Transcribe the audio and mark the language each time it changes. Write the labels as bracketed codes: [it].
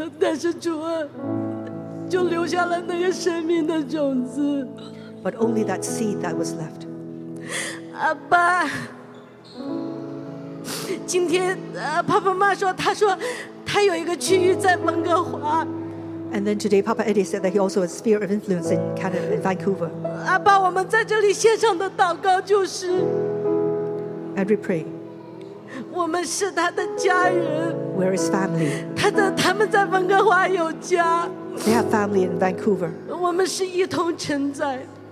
[zh] 但是主啊，就留下了那个生命的种子。 [en] But only that seed that was left. [zh] 阿爸, 今天, 爸爸妈说, 他说, 他有一个区域在蒙哥华。 [en] And then today, Papa Eddie said that he also has a sphere of influence in Canada, in Vancouver. [zh] 阿爸, 我们在这里献上的祷告就是, [en] and we pray. [zh] 我们是他的家人。 [en] Where is family? [zh] 他的, 他们在蒙哥华有家。 [en] They have family in Vancouver. [zh] 我们是一同承载。